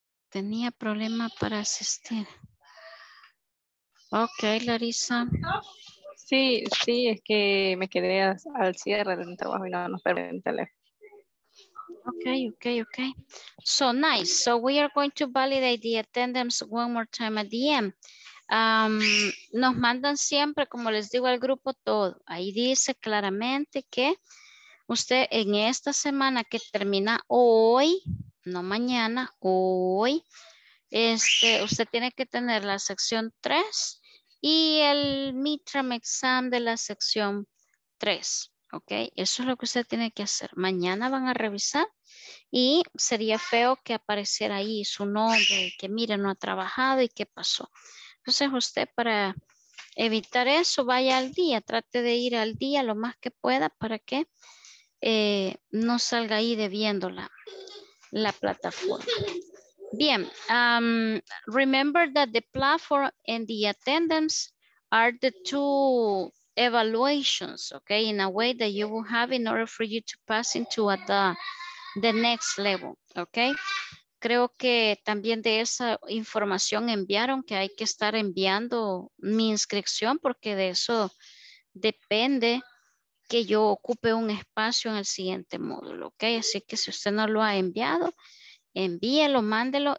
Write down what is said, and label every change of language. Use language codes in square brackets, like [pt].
[es] Tenía problema para asistir. Ok, Larissa. Sí, sí, es que me quedé al cierre del trabajo y no nos perdí el teléfono. [en] Okay, okay, okay. So nice. So we are going to validate the attendance one more time at the end. [es] Nos mandan siempre, como les digo, al grupo todo. Ahí dice claramente que usted en esta semana que termina hoy, no mañana, hoy, este, usted tiene que tener la sección 3 y el midterm exam de la sección 3. Ok, eso es lo que usted tiene que hacer. Mañana van a revisar y sería feo que apareciera ahí su nombre y que mire, no ha trabajado y qué pasó. Entonces usted para evitar eso, vaya al día, trate de ir al día lo más que pueda para que no salga ahí debiendo la plataforma. [en] Bien, remember that the platform and the attendance are the two evaluations, okay, in a way that you will have in order for you to pass into at the next level, okay. [es] Creo que también de esa información enviaron que hay que estar enviando mi inscripción porque de eso depende que yo ocupe un espacio en el siguiente módulo, okay. Así que si usted no lo ha enviado, envíelo, mándelo.